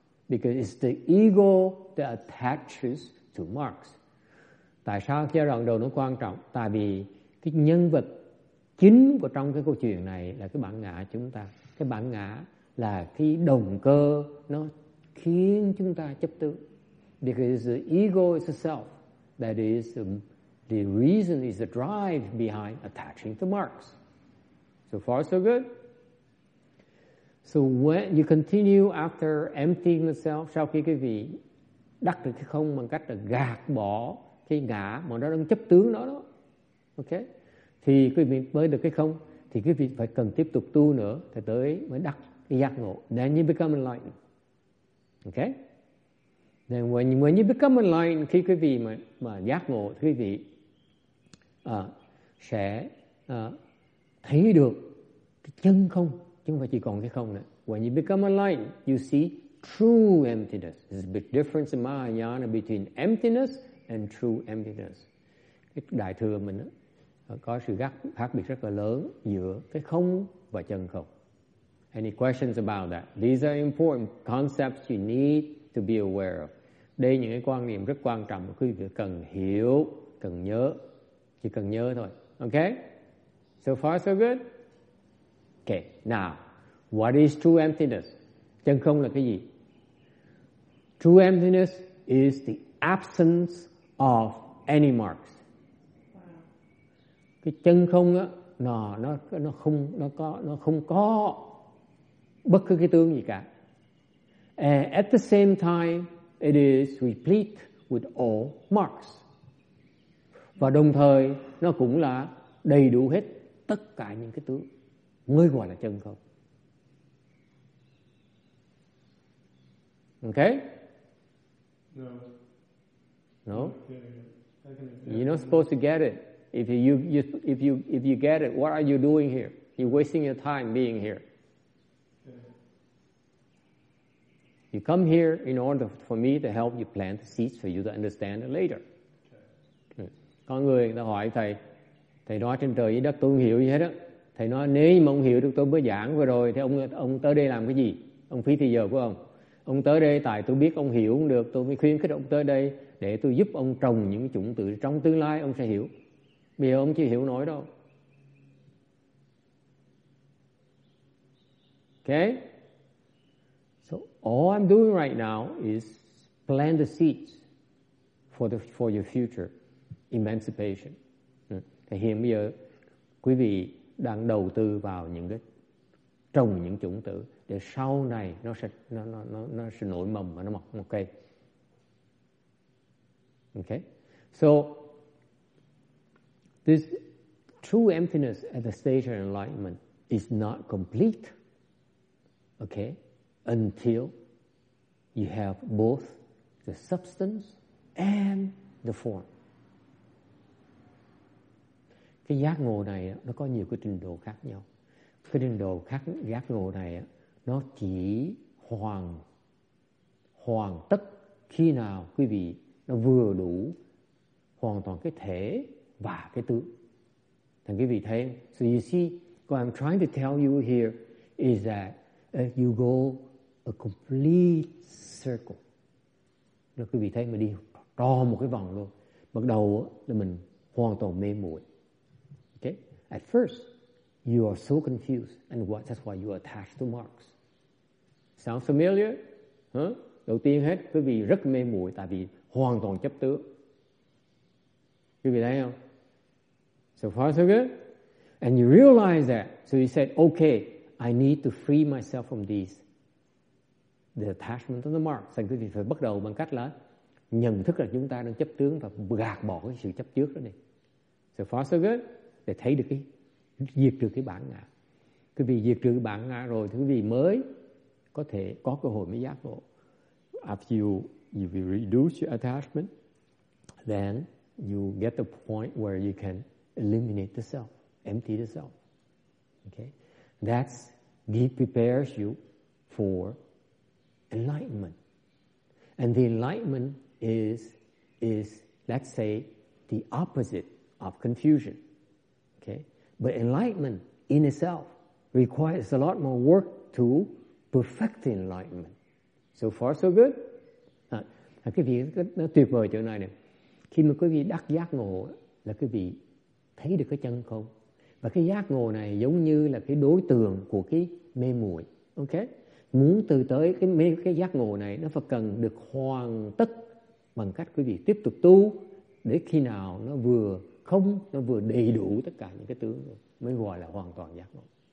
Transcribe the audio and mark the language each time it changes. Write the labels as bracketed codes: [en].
[en] Because it's the ego that attaches to marks. [vi] Tại sao giai đoạn đầu nó quan trọng? Tại vì cái nhân vật chính của trong cái câu chuyện này là cái bản ngã chúng ta. Cái bản ngã là cái động cơ nó khiến chúng ta chấp tướng. [en] Because the ego is the self. That is the reason, is the drive behind attaching to marks. So far so good. So when you continue after emptying the self, [vi] sau khi quý vị đắc được cái không bằng cách là gạt bỏ cái ngã mà nó đang chấp tướng nó đó, okay? Thì quý vị mới được cái không, thì quý vị phải cần tiếp tục tu nữa thì tới mới đắc cái giác ngộ. [en] Then you become enlightened. Okay? Then when you become enlightened, [vi] khi quý vị mà giác ngộ, quý vị sẽ thấy được cái chân không, chứ không phải chỉ còn cái không nữa. [en] When you become enlightened, you see true emptiness. There's a big difference in Mahayana between emptiness and true emptiness. [vi] Cái Đại Thừa mình có sự khác biệt rất là lớn giữa cái không và chân không. [en] Any questions about that? These are important concepts you need to be aware of. [vi] Đây những cái quan niệm rất quan trọng mà quý vị cần hiểu, cần nhớ. Chỉ cần nhớ thôi. [en] Okay? So far so good? Okay, now, what is true emptiness? [vi] Chân không là cái gì? [en] True emptiness is the absence of any marks. [vi] Cái chân không á, nó không có bất cứ cái tướng gì cả. [en] At the same time, it is replete with all marks. [vi] Và đồng thời, nó cũng là đầy đủ hết tất cả những cái tướng mới gọi là chân không. [en] Okay? No. You're not supposed to get it. If you get it, what are you doing here? You're wasting your time being here. You come here in order for me to help you plant the seeds for you to understand it later. [vi] Có người ta hỏi thầy, thầy nói trên trời dưới đất tôi không hiểu gì hết á. Thầy nói nếu mà ông hiểu được tôi mới giảng vừa rồi thì ông tới đây làm cái gì? Ông phí thời giờ của ông. Ông tới đây tại tôi biết ông hiểu không được, tôi mới khuyến khích ông tới đây để tôi giúp ông trồng những chủng tử trong tương lai ông sẽ hiểu. Bây giờ ông chưa hiểu nổi đâu. [en] Okay? So all I'm doing right now is plant the seeds for your future emancipation. [vi] Thì hiện bây giờ quý vị đang đầu tư vào những cái trồng những chủng tử để sau này nó sẽ nổi mầm và nó mọc một cây. [en] Okay. So this true emptiness at the stage of enlightenment is not complete. Okay. Until you have both the substance and the form. [vi] Cái giác ngộ này nó có nhiều cái trình độ khác nhau. Cái trình độ khác giác ngộ này nó chỉ hoàn tất khi nào quý vị nó vừa đủ hoàn toàn cái thể và cái tướng. Thành quý vị thấy, [en] so you see, what I'm trying to tell you here is that if you go a complete circle. [vi] Rồi quý vị thấy mình đi tròn một cái vòng luôn. Bắt đầu là mình hoàn toàn mê muội. [en] Okay? At first, you are so confused and that's why you are attached to marks. Sounds familiar? Huh? [vi] Đầu tiên hết, quý vị rất mê muội tại vì hoàn toàn chấp tướng. Quý vị thấy không? [en] So far so good? And you realize that. So you said, okay, I need to free myself from these. The attachment of the mark. [vi] Thành quý vị phải bắt đầu bằng cách là nhận thức là chúng ta đang chấp tướng và gạt bỏ cái sự chấp trước đó đi. [en] So far so good. [vi] Để thấy được cái diệt được cái bản ngã. Quý vị diệt trừ bản ngã rồi thì quý vị mới có thể có cơ hội mới giác ngộ. [en] After you will reduce your attachment, then you get the point where you can eliminate the self, empty the self. Okay? That's deep prepares you for enlightenment. And the enlightenment is let's say the opposite of confusion. Okay? But enlightenment in itself requires a lot more work to perfect the enlightenment. So far so good? [vi] À, quý vị nó tuyệt vời chỗ này nè. Khi mà quý vị đắc giác ngộ là quý vị thấy được cái chân không. Và cái giác ngộ này giống như là cái đối tượng của cái mê muội. Okay? Muốn từ tới cái giác ngộ này nó phải cần được hoàn tất bằng cách quý vị tiếp tục tu để khi nào nó vừa không, nó vừa đầy đủ tất cả những cái tướng rồi, mới gọi là hoàn toàn giác ngộ.